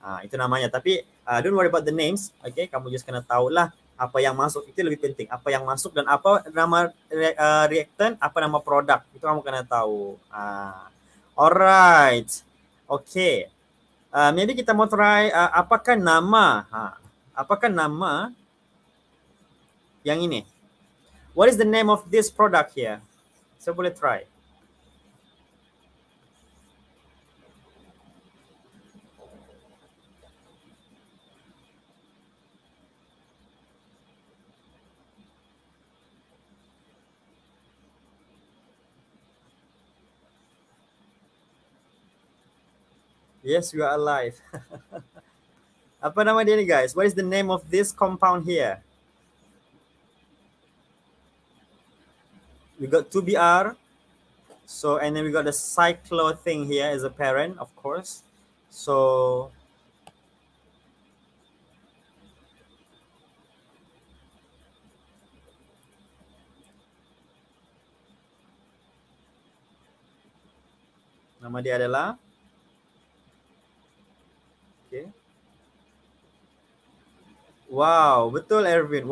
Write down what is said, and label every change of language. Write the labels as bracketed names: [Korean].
[Malay] Itu namanya, tapi [English] don't worry about the names. [Malay] Okay, kamu just kena tahulah apa yang masuk. Itu lebih penting. Apa yang masuk dan apa nama reactant, apa nama produk. Itu kamu kena tahu. Alright. Okay. Maybe kita mau try apakah nama. Apakah nama yang ini. [English] What is the name of this product here? [Malay] So boleh try. [English] Yes, you are alive. [Malay] Apa nama dia ni, guys? [English] What is the name of this compound here? We got 2Br. So, and then we got the cyclo thing here as a parent, of course. [Malay] So, nama dia adalah Wow, betul Erwin.